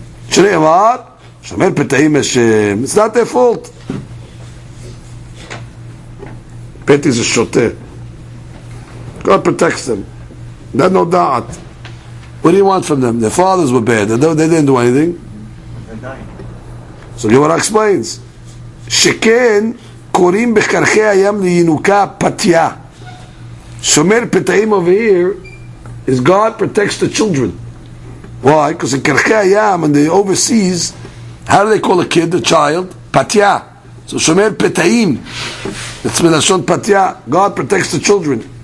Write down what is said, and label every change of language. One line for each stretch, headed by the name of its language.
Hebrew: שנאמר, שומר פתאים השם,
English: it's not their fault.
Hebrew: פתי זה שוטה.
English: God protects them. They have no doubt. What do you want from them? Their fathers were bad. They didn't do anything. So Gemara explains.
Hebrew: שכן קוראים בחרכי הים לינוקה פתיה. שומר פתאים
English: over here is God protects the children. Why? Because in Kerkei Hayam, in the overseas, how do they call a kid, a child? Patya. So Shomer Petaim. It's Melashon Patya. God protects the children.